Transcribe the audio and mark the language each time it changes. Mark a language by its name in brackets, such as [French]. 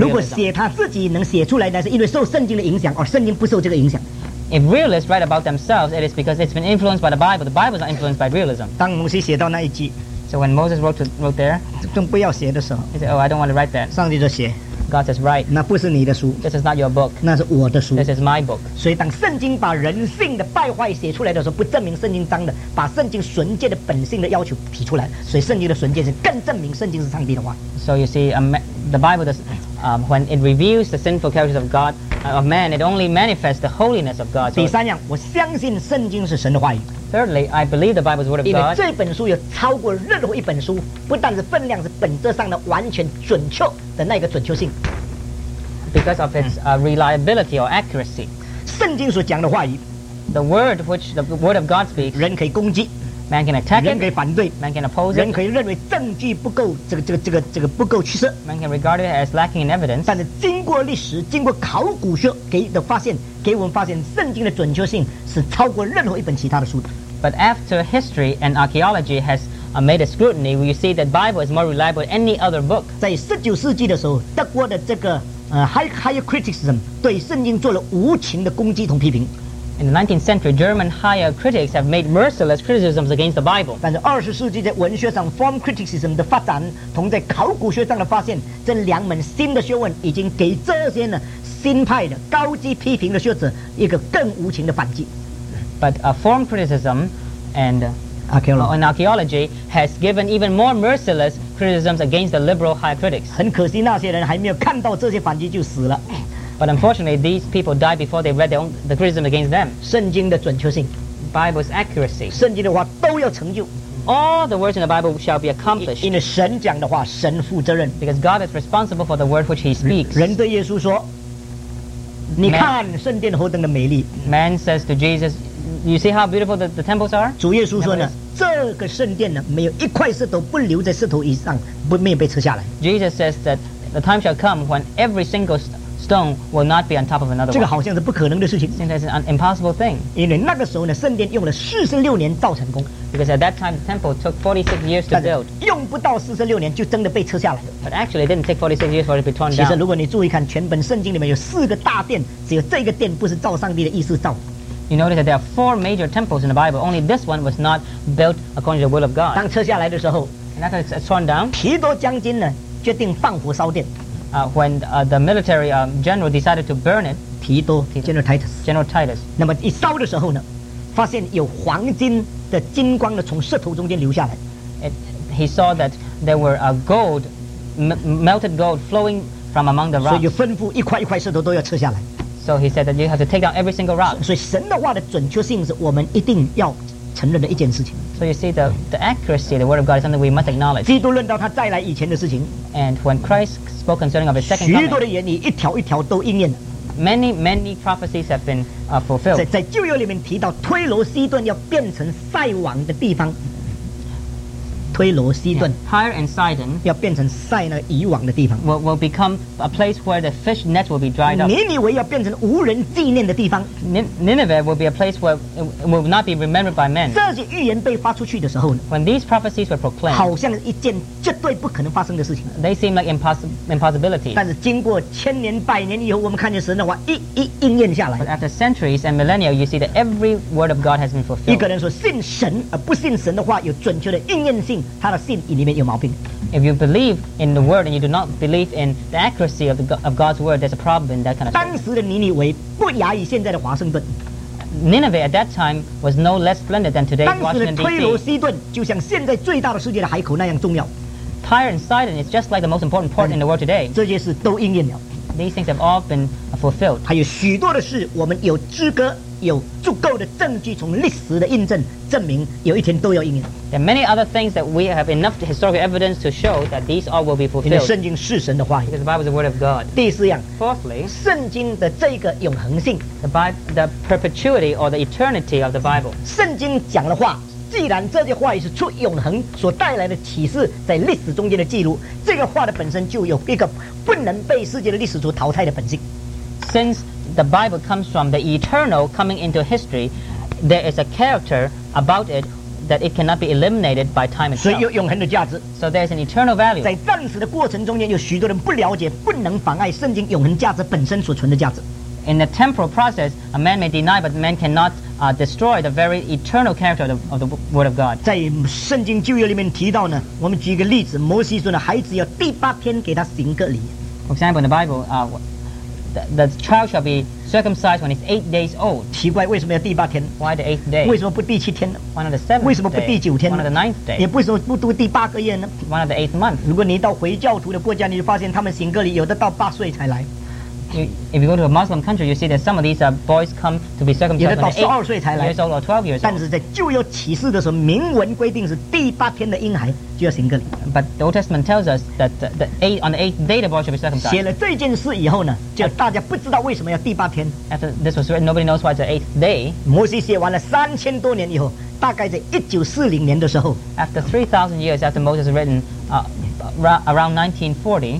[Chinese] 如果写他自己能写出来，那是因为受圣经的影响，而圣经不受这个影响。 [English] If realists write about themselves, it is because it's been influenced by the Bible. The Bible is not influenced by realism. [Chinese] 当摩西写到那一句。 [English] So when Moses wrote there, [Chinese] 更不要写的时候 [English] he said, "Oh, I don't want to write that." [Chinese] 上帝就写 [English] God says, "Write." [Chinese] 那不是你的书 [English] This is not your book. [Chinese] 那是我的书 [English] This is my book. [Chinese] 所以当圣经把人性的败坏写出来的时候，不证明圣经脏的，把圣经纯洁的本性的要求提出来，所以圣经的纯洁是更证明圣经是上帝的话。 [English] So you see, the Bible does, when it reveals the sinful characters of God, of man, it only manifests the holiness of God. [Chinese] 第三样，我相信圣经是神的话语。 [English] Thirdly, I believe the Bible is the word of God. [Chinese] 因为这本书有超过任何一本书，不但是分量，是本质上的完全准确的那个准确性。 [English] Because of its reliability or accuracy. [Chinese] 圣经所讲的话语。 [English] The word which the word of God speaks. [Chinese] 人可以攻击。 [English] Man can attack it. [Chinese] 人可以反对。 [English] Man can oppose it. [Chinese] 人可以认为证据不够，这个不够确实。 [English] Man can regard it as lacking in evidence. [Chinese] 但是经过历史，经过考古学给我们发现，圣经的准确性是超过任何一本其他的书的。 [English] But after history and archaeology has made a scrutiny, we see that Bible is more reliable than any other book. [Chinese] 在19世纪的时候，德国的这个higher criticism 对圣经做了无情的攻击同批评。 [English] In the 19th century, German higher critics have made merciless criticisms against the Bible. [Chinese] 但是二十世纪在文学上 form criticism 的发展，同在考古学上的发现，这两门新的学问已经给这些呢新派的高级批评的学者一个更无情的反击。 [English] But a form criticism and archaeology has given even more merciless criticisms against the liberal higher critics. [Chinese] 很可惜，那些人还没有看到这些反击就死了。 [English] But unfortunately, these people died before they read the criticism against them. [Chinese] 圣经的准确性 [English] Bible's accuracy. [Chinese] 圣经的话都要成就 [English] All the words in the Bible shall be accomplished. [Chinese] 因为神讲的话，神负责任 [English] Because God is responsible for the word which he speaks. [Chinese] 人对耶稣说，你看圣殿何等的美丽 [English] Man says to Jesus, you see how beautiful the temples are? [Chinese] 主耶稣说呢，这个圣殿呢，没有一块石头不留在石头以上，不没有被拆下来 [English] Jesus says that the time shall come when every single stone will not be on top of another one. [Chinese] 这个好像是不可能的事情。 [English] Seems like an impossible thing. [Chinese] 因为那个时候呢，圣殿用了46年造成功。 [English] Because at that time, the temple took 46 years to build. [Chinese] 用不到46年就真的被拆下来了。 [English] But actually, it didn't take 46 years for it to be torn down. [Chinese] 其实，如果你注意看全本圣经里面有四个大殿，只有这个殿不是照上帝的意思造。 [English] You notice that there are four major temples in the Bible. Only this one was not built according to the will of God. [Chinese] 当拆下来的时候 [English] ，and after it's torn down, [Chinese] 提多将军呢决定放火烧殿。 [English] When the military general decided to burn it, 提多 General Titus. General Titus. [Chinese] 那么一烧的时候呢，发现有黄金的金光呢从石头中间流下来。 [English] He saw that there were a gold, melted gold flowing from among the rocks. [Chinese] 所以吩咐一块一块石头都要拆下来。 [English] So he said that you have to take down every single rock. [Chinese] 所以神的话的准确性是我们一定要承认的一件事情。 [English] So you see the accuracy of the word of God is something we must acknowledge. [Chinese] 基督论到他再来以前的事情。 [English] And when Christ spoke concerning of his second coming, [Chinese] 许多的言语一条一条都应验了。 [English] Many many prophecies have been fulfilled. [Chinese] 在旧约里面提到推罗西顿要变成塞王的地方。推罗西顿 [English] Tyre and Sidon [Chinese] 要变成塞那以往的地方。 [English] Will become a place where the fish net will be dried up. [Chinese] 尼尼微要变成无人纪念的地方。 [English] Nineveh will be a place where it will not be remembered by men. [Chinese] 这些预言被发出去的时候呢 [English] ，When these prophecies were proclaimed, [Chinese] 好像一件绝对不可能发生的事情。 [English] They seem like impossibility. [Chinese] 但是经过千年百年以后，我们看见神的话一应验下来。 [English] But after centuries and millennia, you see that every word of God has been fulfilled. [Chinese] 一个人说信神而不信神的话，有准确的应验性。他的信里面有毛病。 [English] If you believe in the word and you do not believe in the accuracy of God's word, there's a problem in that kind of thing. [Chinese] 当时的尼尼微不亚于现在的华盛顿。 [English] Nineveh at that time was no less splendid than today. [Chinese] 当时的推罗西顿就像现在最大的世界的海口那样重要。 [English] Tyre and Sidon is just like the most important port in the world today. [Chinese] 这些事都应验了。 [English] These things have all been fulfilled. [Chinese] 还有许多的事，我们有资格。有足够的证据从历史的印证证明有一天都要应验 [English] There are many other things that we have enough historical evidence to show that these all will be fulfilled [Chinese] 因为圣经是神的话语 [English] Because the Bible is the word of God [Chinese] 第四样 [English] Fourthly [Chinese] 圣经的这个永恒性 [English] The perpetuity or the eternity of the Bible [Chinese] 圣经讲的话既然这些话语是出永恒所带来的启示在历史中间的记录这个话的本身就有一个不能被世界的历史所淘汰的本性 [English] SinceThe Bible comes from the eternal coming into history. There is a character about it that it cannot be eliminated by time itself. [Chinese] 所以有永恒的价值。 [English] So there is an eternal value. [Chinese] 在暂时的过程中间，有许多人不了解，不能妨碍圣经永恒价值本身所存的价值。 [English] In the temporal process, a man may deny, but man cannot destroy the very eternal character of the Word of God. [Chinese] 在圣经旧约里面提到呢，我们举一个例子，摩西说呢，孩子要第八天给他行割礼。 [English] For example, in the Bible, The child shall be circumcised when he's 8 days old. [Chinese] 奇怪，为什么要第八天 [English] ？Why the 8th day? [Chinese] 为什么不第七天呢 [English] ？Why not the 7th day? [Chinese] 为什么不第九天 [English] ？Why not the 9th day? [Chinese] 也不是说不读第八个月呢 [English] ？Why not the 8th month? [Chinese] 如果你到回教徒的国家，你就发现他们行割礼有的到8岁才来。 [English] if you go to a Muslim country, you see that some of these boys come to be circumcised at 8 years old or 12 years old. [Chinese] 但是在旧约启示的时候，明文规定是第八天的婴孩就要行割礼。 [English] But the Old Testament tells us that on the eighth day the boy should be circumcised. [Chinese] 写了这件事以后呢，就大家不知道为什么要第八天。 [English] After this was written, nobody knows why it's the eighth day. [Chinese] 摩西写完了3000多年以后。大概在1940年的时候 [English] After 3,000 years after Moses written around 1940